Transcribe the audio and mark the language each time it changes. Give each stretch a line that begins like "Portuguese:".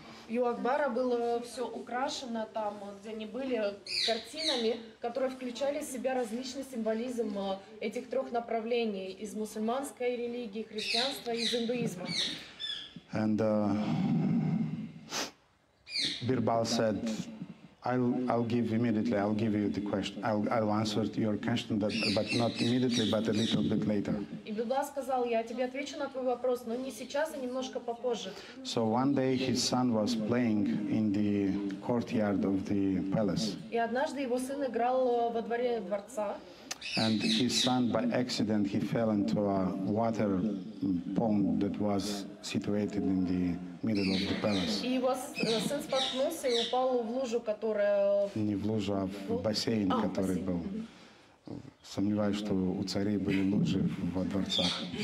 Russian: У Акбара было все украшено там, где они были, картинами, которые включали в себя различный символизм этих трех направлений из мусульманской религии, христианства и из индуизма.
English: And Birbal said, I'll answer your question, but not immediately, but a little bit later.
Russian: И Бирбал сказал, я тебе отвечу на твой вопрос, но не сейчас, а немножко попозже.
English: So one day his son was playing in the courtyard of the palace.
Russian: И однажды его сын играл во дворе дворца.
English: And his son, by accident, he fell into a water pond that was situated in the middle of the palace.
Russian: И его сын споткнулся и упал в лужу, которая... Не в лужу, а в бассейн, который был. Сомневаюсь, что у царей были лужи во дворцах.